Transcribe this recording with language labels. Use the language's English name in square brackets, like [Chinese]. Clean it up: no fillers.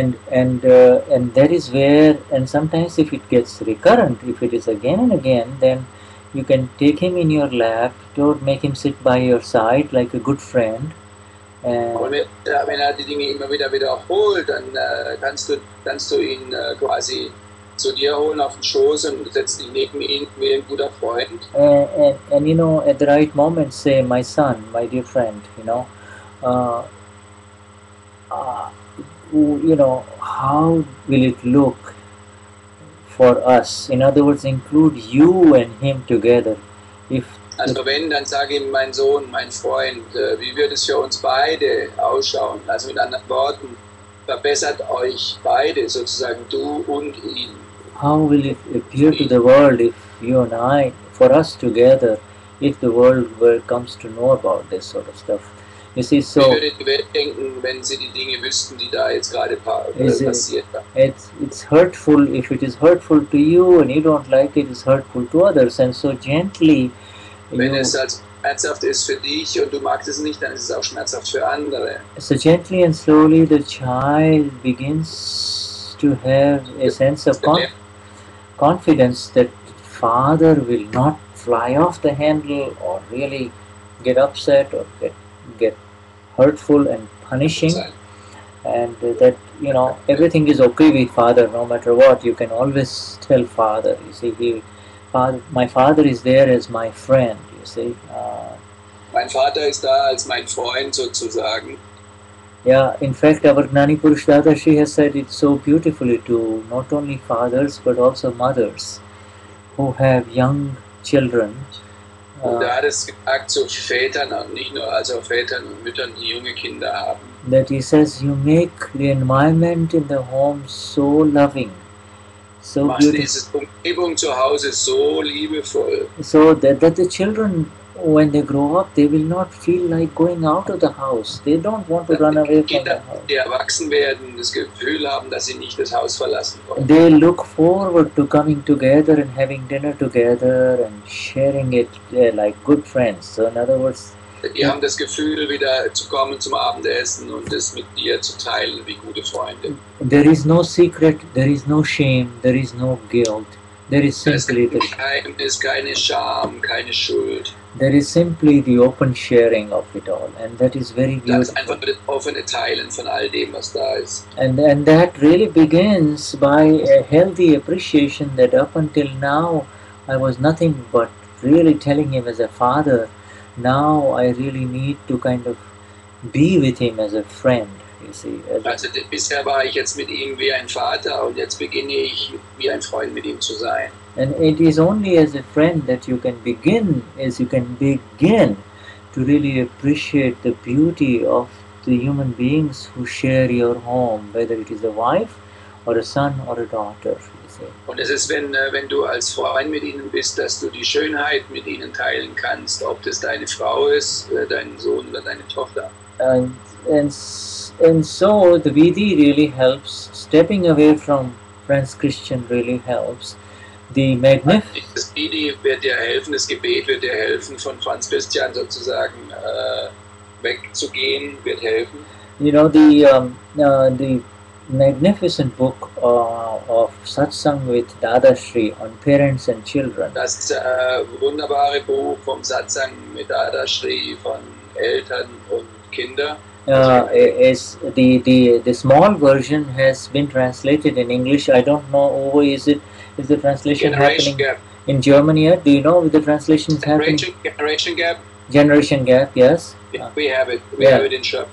[English] And that is where, and sometimes if it gets recurrent, if it is again and again, then you can take him in your lap, don't make him sit by your side like a good friend. [German] Wenn er die Dinge immer wiederholt, dann kannst du ihn quasi zu dir holen auf den Schoß und setzt ihn neben ihn wie ein guter Freund. [English] And you know, at the right moment say, my son, my dear friend, you know, how will it look for us? In other words, include you and him together. [German] Also wenn, dann sage ihm, mein Sohn, mein Freund, wie wird es für uns beide ausschauen? Also mit anderen Worten, verbessert euch beide, sozusagen du und ihn. [English] How will it appear to the world if you and I, for us together, if the world comes to know about this sort of stuff? You see, so... [German] Wie würde die Welt denken, wenn sie die Dinge wüssten, die da jetzt gerade passiert? [English] It's hurtful, if it is hurtful to you and you don't like it, it's hurtful to others, and so gently... [German] Wenn es als schmerzhaft ist für dich und du magst es nicht, dann ist es auch schmerzhaft für andere. [English] So gently and slowly the child begins to have a sense of confidence that father will not fly off the handle or really get upset or get hurtful and punishing. And that, you know, everything is okay with father no matter what. You can always tell father, you see, my father is there as my friend, you see. [German] Mein Vater ist da als mein Freund, sozusagen. [English] Yeah, in fact, our Gnani Purush Dadashri has said it so beautifully to not only fathers, but also mothers who have young children. [German] Und er hat es gesagt zu Vätern, nicht nur also Vätern und Müttern, die junge Kinder haben. [English] That he says, you make the environment in the home so loving. So beautiful. So that the children, when they grow up, they will not feel like going out of the house. They don't want to run away from the house. [German] Die erwachsen werden, das Gefühl haben, dass sie nicht das Haus verlassen wollen. [English] They look forward to coming together and having dinner together and sharing it like good friends. So in other words, [German] die haben das Gefühl, wieder zu kommen zum Abendessen und es mit dir zu teilen, wie gute Freunde. [English] There is no secret, there is no shame, there is no guilt. There is simply the [German] Geheimnis, keine Scham, keine Schuld. [English] There is simply the open sharing of it all, and that is very beautiful. [German] Das ist einfach das offene Teilen von all dem, was da ist. [English] And that really begins by a healthy appreciation that up until now I was nothing but really telling him as a father. Now I really need to kind of be with him as a friend, you see. [German] Also bisher war ich jetzt mit ihm wie ein Vater und jetzt beginne ich wie ein Freund mit ihm zu sein. [English] And it is only as a friend that you can begin, as you can begin to really appreciate the beauty of the human beings who share your home, whether it is a wife or a son or a daughter, you see. [German] Und es ist, wenn wenn du als Freund mit ihnen bist, dass du die Schönheit mit ihnen teilen kannst, ob das deine Frau ist, dein Sohn oder deine Tochter. [English] And so the Vidhi really helps, stepping away from Franz Christian really helps. The [German] das Vidhi wird dir helfen, das Gebet wird dir helfen, von Franz Christian sozusagen wegzugehen, wird helfen. [English] You know, the magnificent book of Satsang with Dadashri on parents and children. [German] Das wunderbare Buch vom Satsang mit Dadashri von Eltern und Kinder. [English] Is the small version has been translated in English. I don't know who is it. Is the translation generation happening gap. In Germany yet? Do you know if the translation is happening? Generation gap. Generation gap. Yes. We have it. We have it in short.